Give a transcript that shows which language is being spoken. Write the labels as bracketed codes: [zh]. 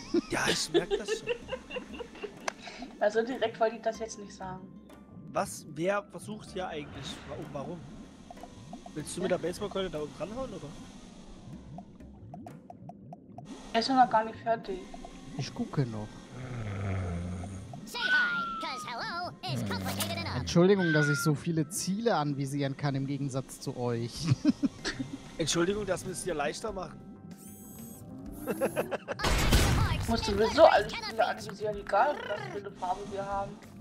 [de] Ja, ich merke das schon. Also direkt wollte ich das jetzt nicht sagen. Was? Wer versucht hier eigentlich? Warum? Willst du mit der Baseballkeule da oben dranhauen, oder? Er ist noch gar nicht fertig. Ich gucke noch. [en] Say hi, cause hello is complicated enough. [de] Entschuldigung, dass ich so viele Ziele anvisieren kann im Gegensatz zu euch. Entschuldigung, dass wir es dir leichter machen. Musst du sowieso alles Ziele anvisieren, egal was für eine Farbe wir haben.